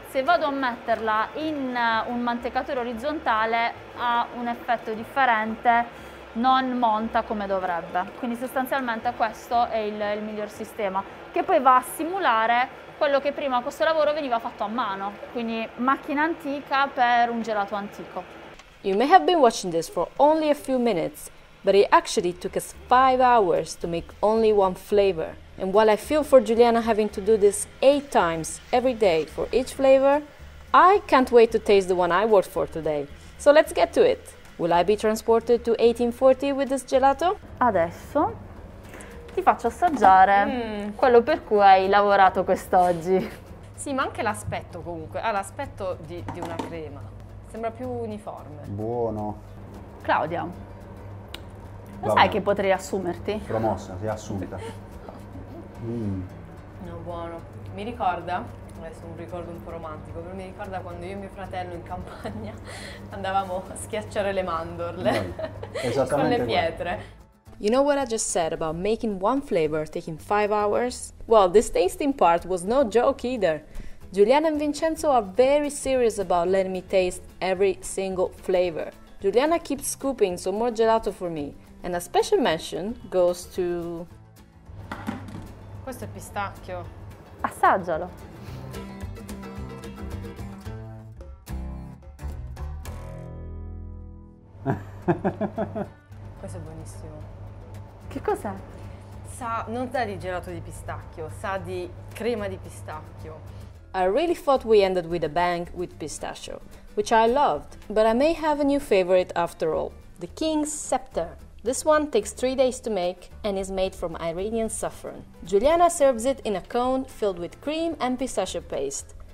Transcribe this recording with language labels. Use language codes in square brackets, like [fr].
[it] Se vado a metterla in un mantecatore orizzontale ha un effetto differente, non monta come dovrebbe, quindi sostanzialmente questo è il miglior sistema, che poi va a simulare quello che prima questo lavoro veniva fatto a mano, quindi macchina antica per un gelato antico. [en] You may have been watching this for only a few minutes, but it actually took us 5 hours to make only one flavor. And while I feel for Giuliana having to do this 8 times every day for each flavor, I can't wait to taste the one I worked for today. So let's get to it. Will I be transported to 1840 with this gelato? [it] Adesso ti faccio assaggiare quello per cui hai lavorato quest'oggi. Sì, ma anche l'aspetto comunque, ha l'aspetto di una crema. Sembra più uniforme. Buono. Claudia, lo sai che potrei assumerti? Promossa, sei assunta. No, buono. Mi ricorda adesso un ricordo un po' romantico, però mi ricorda quando io e mio fratello in campagna andavamo a schiacciare le mandorle con le pietre. [en] You know what I just said about making one flavor taking 5 hours? Well, this tasting part was no joke either. Giuliana and Vincenzo are very serious about letting me taste every single flavor. Giuliana keeps scooping some more gelato for me, and a special mention goes to... [it] Questo è pistacchio. Assaggialo. Questo è buonissimo. Che cos'è? Sa, non sa di gelato di pistacchio, sa di crema di pistacchio. [en] I really thought we ended with a bang with pistachio, which I loved, but I may have a new favorite after all, the King's Scepter. This one takes 3 days to make and is made from Iranian saffron. Giuliana serves it in a cone filled with cream and pistachio paste.